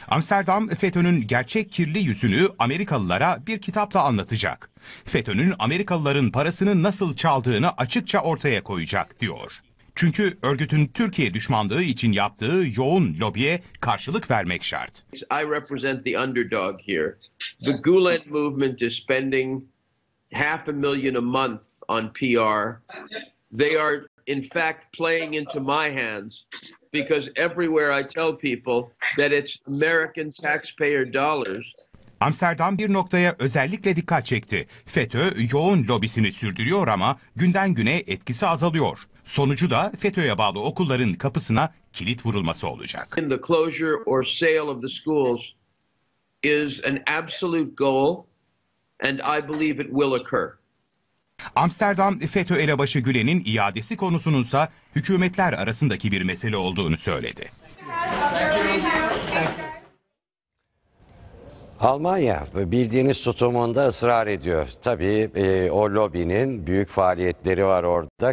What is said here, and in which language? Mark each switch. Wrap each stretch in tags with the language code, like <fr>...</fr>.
<tr>Amsterdam, FETÖ'nün gerçek kirli yüzünü Amerikalılara bir kitapla anlatacak. FETÖ'nün Amerikalıların parasını nasıl çaldığını açıkça ortaya koyacak, diyor. Çünkü örgütün Türkiye düşmanlığı için yaptığı yoğun lobiye karşılık vermek şart.</tr> <en>I represent the underdog here. The Gulen movement is spending $500,000 a month on PR. They are in fact playing into my hands. Because everywhere I tell people that it's American taxpayer dollars.</en> <tr>Amsterdam bir noktaya özellikle dikkat çekti. FETÖ yoğun lobisini sürdürüyor ama günden güne etkisi azalıyor. Sonucu da FETÖ'ye bağlı okulların kapısına kilit vurulması olacak.</tr> <en>In the closure or sale of the schools is an absolute goal and I believe it will occur.</en> <tr>Amsterdam, FETÖ elebaşı Gülen'in iadesi konusununsa hükümetler arasındaki bir mesele olduğunu söyledi. Almanya bildiğiniz tutumunda ısrar ediyor. Tabii o lobinin büyük faaliyetleri var orada.</tr>